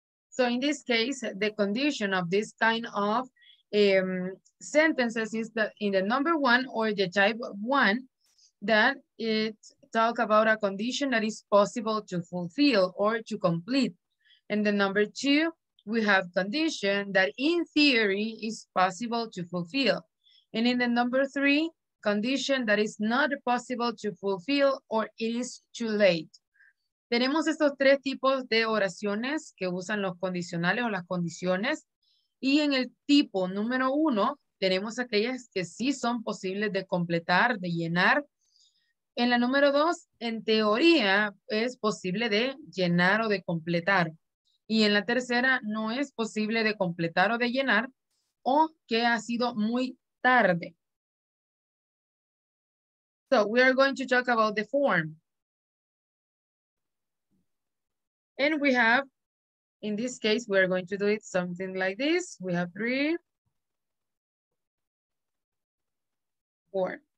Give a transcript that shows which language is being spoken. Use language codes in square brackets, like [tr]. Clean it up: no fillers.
[en] So in this case, the condition of this kind of sentences is that in the number 1 or the type 1, that it talk about a condition that is possible to fulfill or to complete. And the number 2, we have condition that in theory is possible to fulfill. And in the number 3, condition that is not possible to fulfill or it is too late. [es] Tenemos estos tres tipos de oraciones que usan los condicionales o las condiciones. Y en el tipo número 1, tenemos aquellas que sí son posibles de completar, de llenar. En la número 2, en teoría, es posible de llenar o de completar. Y en la tercera, no es posible de completar o de llenar, o que ha sido muy tarde. [en] So, we are going to talk about the form. And we have, in this case, we're going to do it something like this. We have 3, 4.